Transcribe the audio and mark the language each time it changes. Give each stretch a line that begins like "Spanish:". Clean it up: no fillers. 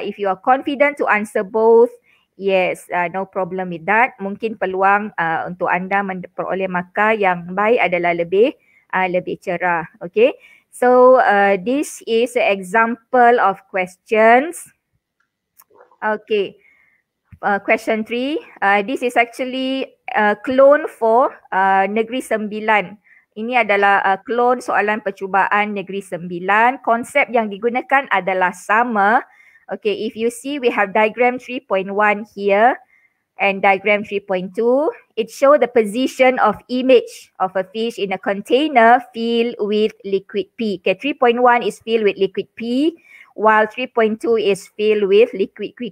English: If you are confident to answer both, yes, no problem with that.
Malay: Mungkin peluang untuk anda memperoleh markah yang baik adalah lebih lebih cerah.
English: Okay, so this is an example of questions. Okay, question 3. This is actually a clone for Negeri Sembilan.
Malay: Ini adalah clone soalan percubaan Negeri Sembilan. Konsep yang digunakan adalah sama.
English: Okay, if you see, we have diagram 3.1 here and diagram 3.2. It show the position of image of a fish in a container filled with liquid P. Okay, 3.1 is filled with liquid P while 3.2 is filled with liquid Q.